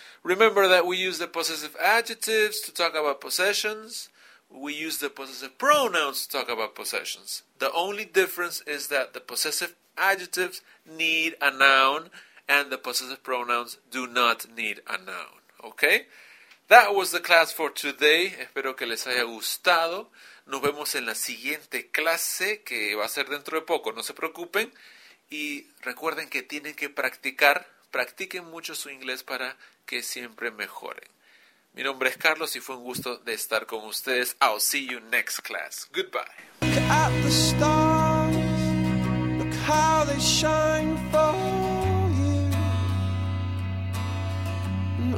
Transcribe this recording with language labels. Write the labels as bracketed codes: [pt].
[en] Remember that we use the possessive adjectives to talk about possessions. We use the possessive pronouns to talk about possessions. The only difference is that the possessive adjectives need a noun and the possessive pronouns do not need a noun. Okay? That was the class for today. [es] Espero que les haya gustado. Nos vemos en la siguiente clase que va a ser dentro de poco. No se preocupen. Y recuerden que tienen que practicar. Practiquen mucho su inglés para que siempre mejoren. Mi nombre es Carlos y fue un gusto de estar con ustedes. [en] I'll see you next class. Goodbye. Look at the stars, look how they shine for you.